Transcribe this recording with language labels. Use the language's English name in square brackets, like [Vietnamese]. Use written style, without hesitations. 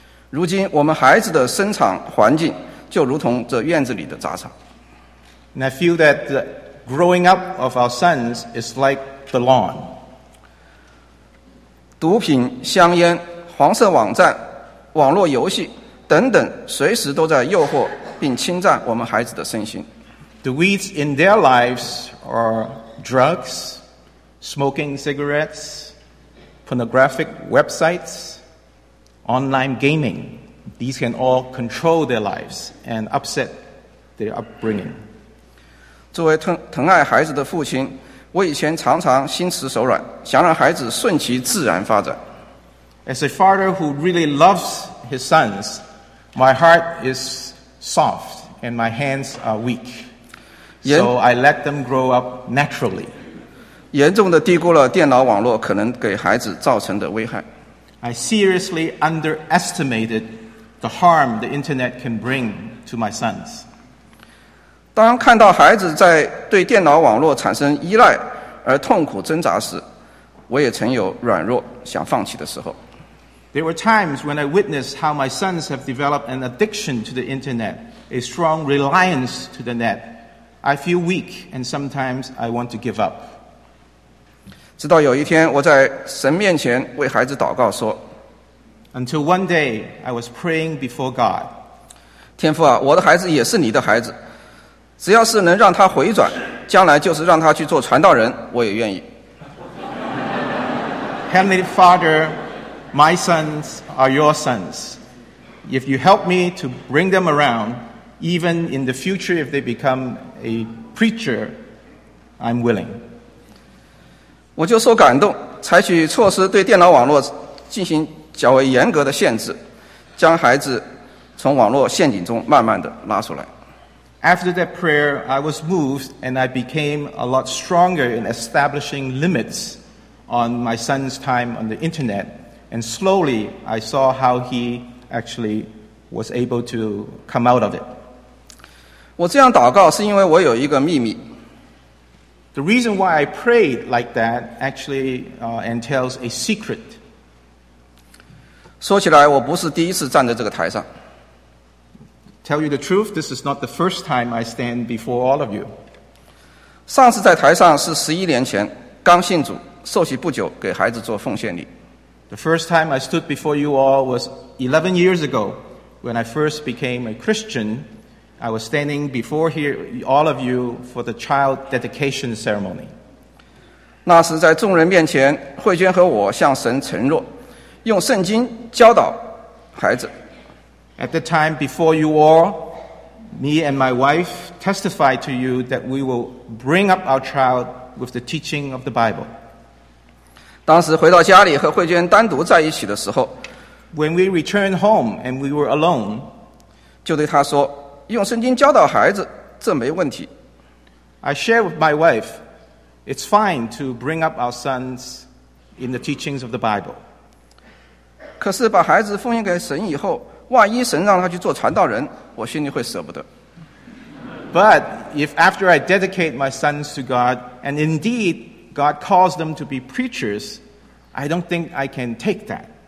[Chinese] 如今我们孩子的生长环境就如同这院子里的杂草。 [English] And I feel that the growing up of our sons is like the lawn. [Chinese] 毒品、香烟、黄色网站、网络游戏等等，随时都在诱惑并侵占我们孩子的身心。 [English] The weeds in their lives are drugs. Smoking cigarettes, pornographic websites, online gaming, these can all control their lives and upset their upbringing. [Chinese] 作为疼爱孩子的父亲，我以前常常心慈手软，想让孩子顺其自然发展。 [English] As a father who really loves his sons, my heart is soft and my hands are weak. So I let them grow up naturally. [Chinese] 严重地低估了电脑网络可能给孩子造成的危害。 [English] I seriously underestimated the harm the internet can bring to my sons. [Chinese] 当看到孩子在对电脑网络产生依赖而痛苦挣扎时，我也曾有软弱想放弃的时候。 [English] There were times when I witnessed how my sons have developed an addiction to the internet, a strong reliance to the net. I feel weak, and sometimes I want to give up. [Chinese] 直到有一天，我在神面前为孩子祷告说 [English] ，Until one day I was praying before God. [Chinese] 天父啊，我的孩子也是你的孩子。只要是能让他回转，将来就是让他去做传道人，我也愿意。 [English] Heavenly Father, my sons are your sons. If you help me to bring them around, even in the future if they become a preacher, I'm willing. [Chinese] 我就受感动，采取措施对电脑网络进行较为严格的限制，将孩子从网络陷阱中慢慢地拉出来。 [English] After that prayer, I was moved and I became a lot stronger in establishing limits on my son's time on the internet. And slowly, I saw how he actually was able to come out of it. [Chinese] 我这样祷告是因为我有一个秘密。 [English] The reason why I prayed like that actually entails a secret. [Chinese] 说起来，我不是第一次站在这个台上。 [English] Tell you the truth, this is not the first time I stand before all of you. [Chinese] 上次在台上是十一年前，刚信主，受洗不久，给孩子做奉献礼。 [English] The first time I stood before you all was 11 years ago, when I first became a Christian. I was standing before here, all of you for the child dedication ceremony. [Chinese] 那时在众人面前，慧娟和我向神承诺，用圣经教导孩子。 [English] At the time before you all, me and my wife testified to you that we will bring up our child with the teaching of the Bible. [Chinese] 当时回到家里和慧娟单独在一起的时候 [English] ，When we returned home and we were alone, [Chinese] 就对她说，用圣经教导孩子，这没问题。 [English] I shared with my wife, it's fine to bring up our sons in the teachings of the Bible. [Chinese] 可是把孩子奉献给神以后。万一神让他去做传道人，我心里会舍不得。 [English] But if after I dedicate my sons to God, and indeed God calls them to be preachers, I don't think I can take that.